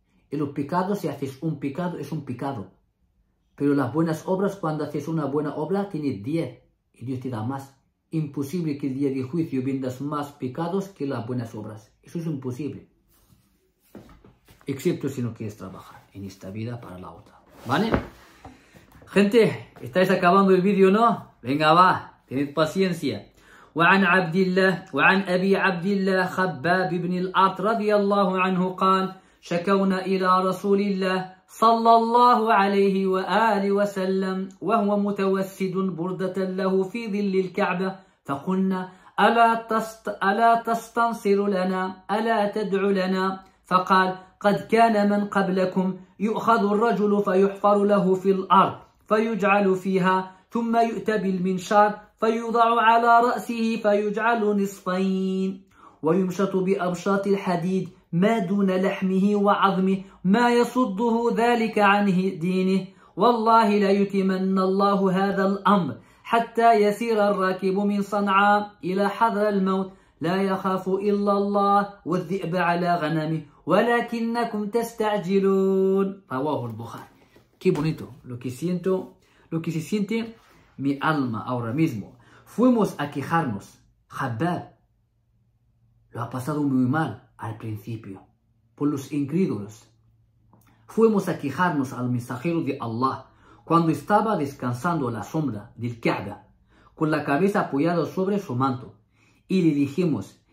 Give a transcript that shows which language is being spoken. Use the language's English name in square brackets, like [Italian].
[Spanish] Y los pecados, si haces un pecado, es un pecado. Pero las buenas obras, cuando haces una buena obra, tienes 10. Y Dios te da más. Imposible que el día de juicio vendas más pecados que las buenas obras. Eso es imposible. Excepto si no quieres trabajar en esta vida para la otra. ¿Vale? Gente, ¿estáis acabando el vídeo, no? Venga, va. Tened paciencia. [Arabic] وعن عبد الله وعن أبي عبد الله خباب بن العاص رضي الله عنه قال شكونا إلى رسول الله صلى الله عليه وآله وسلم وهو متوسد بردة له في ظل الكعبة فقلنا ألا تستنصر لنا ألا تدعو لنا فقال قد كان من قبلكم يؤخذ الرجل فيحفر له في الأرض فيجعل فيها ثم يؤتى بالمنشار فيوضع على رأسه فيجعل نصفين ويمشط بأبشاط الحديد ما دون لحمه وعظمه ما يصده ذلك عن دينه والله لا يتمن الله هذا الأمر حتى يسير الراكب من صنعاء إلى حضر الموت لا يخاف إلا الله والذئب على غنمه ولكنكم تستعجلون رواه البخاري [Spanish] Qué bonito lo que siento lo que se siente mi alma ahora mismo fuimos a quejarnos Habbab lo ha pasado muy mal al principio por los incrédulos fuimos a quejarnos al mensajero de Allah cuando estaba descansando a la sombra del Kaaba con la cabeza apoyada sobre su manto y le dijimos